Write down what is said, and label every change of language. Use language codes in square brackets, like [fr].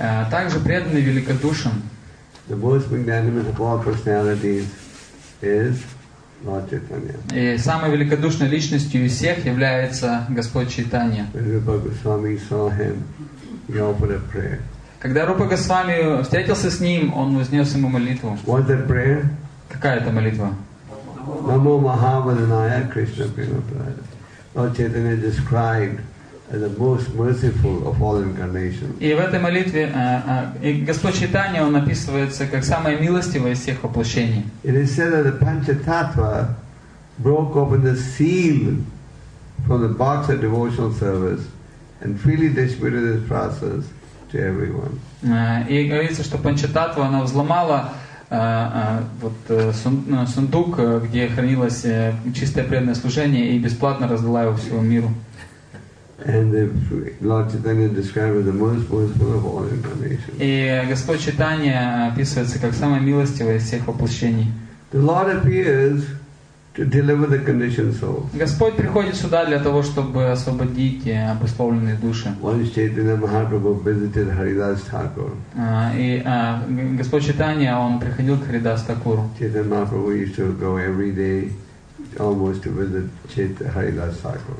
[ru] Также преданный великодушен. [en] The most magnanimous of all personalities is Lord Chaitanya. [ru] И самой великодушной личностью из всех является Господь Чайтанья. [en] When Rupa Goswami saw him, he offered a prayer. [ru] Когда Рупа Госвами встретился с ним, он вознес ему молитву. [en] What's that prayer? [ru] Какая это молитва? [sa] Namo Mahavadanaya Krishna Premaprayana. [en] Lord Chaitanya described the most merciful of all incarnations. [ru] И в этой молитве Господь Чайтанья, он описывается как самое милостивое из всех воплощений. [en] It is said that the Panchatattva broke open the seal from the box of devotional service and freely distributed this process to everyone. [ru] И говорится, что Панчататва, она взломала вот сундук, где хранилось чистое преданное служение, и бесплатно раздала его всему миру. [en] And the Lord Chaitanya described as the most merciful of all incarnations. [ru] И Господь Чайтанья описывается как самое милостивое из всех воплощений. [en] The Lord appears to deliver the conditioned souls. [ru] Господь приходит сюда для того, чтобы освободить обусловленные души. [en] Once Chaitanya Mahaprabhu visited Haridas Thakur. [ru] И Господь Чайтанья, он приходил к Харидас Такуру. [en] Chaitanya Mahaprabhu used to go every day almost with the Chaitanya Haridas Thakur.